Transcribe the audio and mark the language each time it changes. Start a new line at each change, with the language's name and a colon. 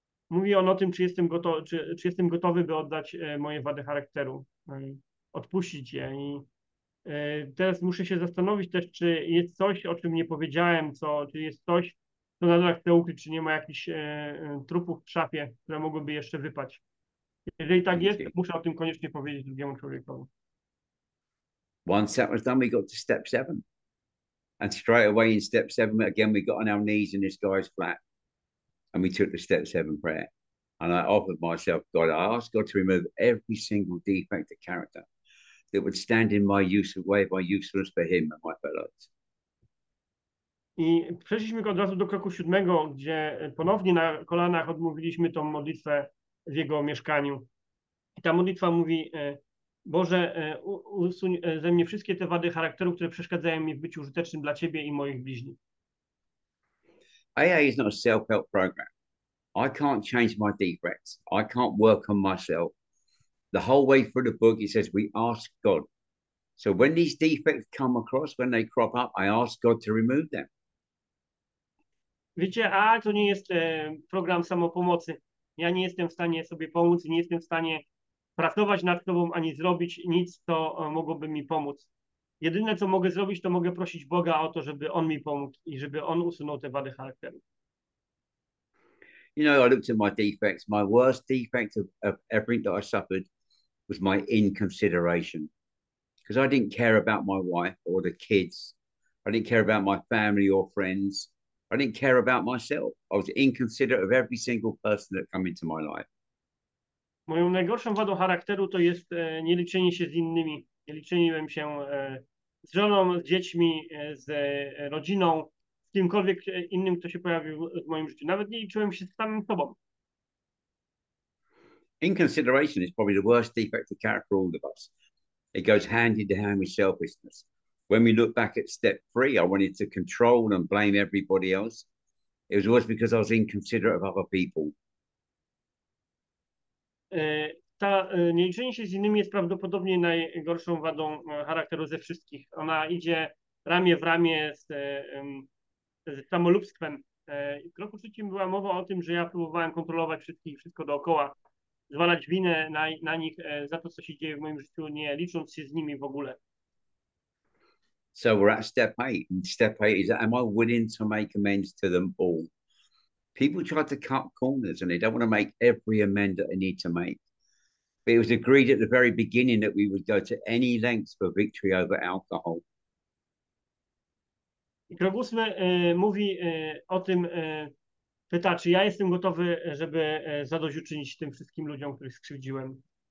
Polish: Mówi on o tym, czy jestem gotowy, by oddać moje wady charakteru, odpuścić je. I teraz muszę się zastanowić też, czy jest coś, o czym nie powiedziałem, czy jest coś, co nadal chcę ukryć, czy nie ma jakichś trupów w szafie, które mogłyby jeszcze wypaść. Jeżeli tak jest, muszę o tym koniecznie powiedzieć drugiemu człowiekowi.
English: Once that was done, we got to step seven. And straight away in step seven, again, we got on our knees in this guy's flat. And we took the step seven prayer. And I offered myself, God, I asked God to remove every single defect of character that would stand in my use of way, my usefulness for him and my fellows.
Polish: I przeszliśmy od razu do kroku siódmego, gdzie ponownie na kolanach odmówiliśmy tą modlitwę w jego mieszkaniu. I ta modlitwa mówi, Boże, usuń ze mnie wszystkie te wady charakteru, które przeszkadzają mi w byciu użytecznym dla Ciebie i moich bliźnich.
English: AA is not a self-help program. I can't change my defects. I can't work on myself. The whole way through the book, it says we ask God. So when these defects come across, when they crop up, I ask God to remove them.
Polish: Wiecie, a to nie jest program samopomocy. Ja nie jestem w stanie sobie pomóc, nie jestem w stanie pracować nad sobą, ani zrobić nic, co mogłoby mi pomóc. Jedyne, co mogę zrobić, to mogę prosić Boga o to, żeby On mi pomógł i żeby On usunął te wady charakteru.
English: You know, I looked at my defects. My worst defect of everything that I suffered was my inconsideration. Because I didn't care about my wife or the kids. I didn't care about my family or friends. I didn't care about myself. I was inconsiderate of every single person that came into my life.
Polish: Moją najgorszą wadą charakteru to jest nie liczenie się z innymi. Nie liczyłem się z żoną, z dziećmi, z rodziną, z kimkolwiek innym, kto się pojawił w moim życiu. Nawet nie liczyłem się z samym sobą.
English: Inconsideration is probably the worst defect of character for all of us. It goes hand in hand with selfishness. When we look back at step three, I wanted to control and blame everybody else. It was always because I was inconsiderate of other people.
Polish: Ta nieliczenie się z innymi jest prawdopodobnie najgorszą wadą charakteru ze wszystkich. Ona idzie ramię w ramię z samolubstwem. W kroku trzecim była mowa o tym, że ja próbowałem kontrolować wszystkich, wszystko dookoła, zwalać winę na nich za to, co się dzieje w moim życiu, nie licząc się z nimi w ogóle.
English: So we're at step eight. And step eight is, am I willing to make amends to them all? People try to cut corners and they don't want to make every amend that they need to make. But it was agreed at the very beginning that we would go to any lengths for victory over alcohol.
Polish: I krok ósmy mówi o tym, pyta, czy ja jestem gotowy, żeby zadośćuczynić tym wszystkim ludziom, których skrzywdziłem.